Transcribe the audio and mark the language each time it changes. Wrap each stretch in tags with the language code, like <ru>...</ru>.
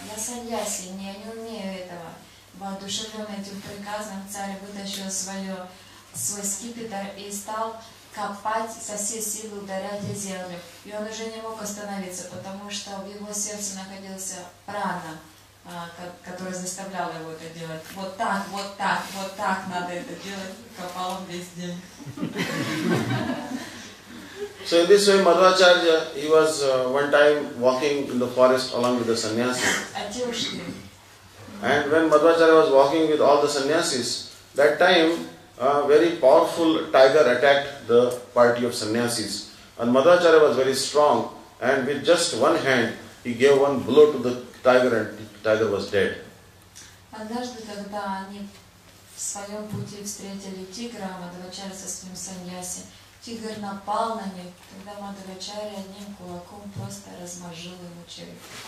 <ru>Я саньяси, я не умею этого. Воодушевлен этим приказом, царь вытащил свой скипетр и стал копать со всей силы, ударять землю. И он уже не мог остановиться, потому что в его сердце находился прана, которая заставляла его это делать. Вот так, вот так, вот так надо это делать. Копал он весь день.</ru> <en>So in this way, Madhvacharya, he was one time walking in the forest along with the sannyasis. And when Madhvacharya was walking with all the sannyasis, that time a very powerful tiger attacked the party of sannyasis. And Madhvacharya was very strong, and with just one hand, he gave one blow to the tiger and tiger was dead.</en> <ru>Однажды, когда они в своем пути встретили тигра, Мадхвачарья со своим саньяси, тигр напал на них, тогда Мадхвачарья одним кулаком просто размажил ему череп.</ru>